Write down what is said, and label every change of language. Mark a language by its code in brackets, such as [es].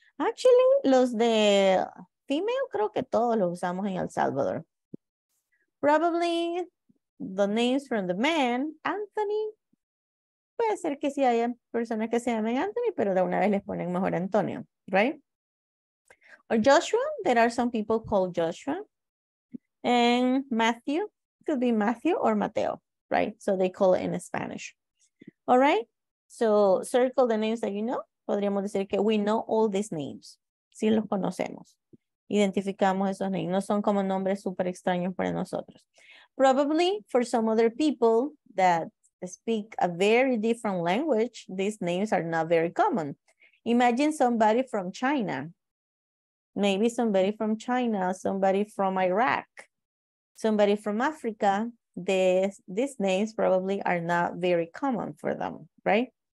[en] Actually, [es] los de female creo que todos los usamos en El Salvador. [en] Probably the names from the man, Anthony. [es] Puede ser que sí haya personas que se llamen Anthony, pero de una vez les ponen mejor Antonio, [en] right? Or Joshua, there are some people called Joshua. And Matthew, could be Matthew or Mateo, right? So they call it in Spanish. All right? So circle the names that you know. [es] Podríamos decir que [en] we know all these names. [es] Sí los conocemos. Identificamos esos names. No son como nombres super extraños para nosotros. [en] Probably for some other people that speak a very different language, these names are not very common. Imagine somebody from China. Maybe somebody from China, somebody from Iraq, somebody from Africa, these names probably are not very common for them, right?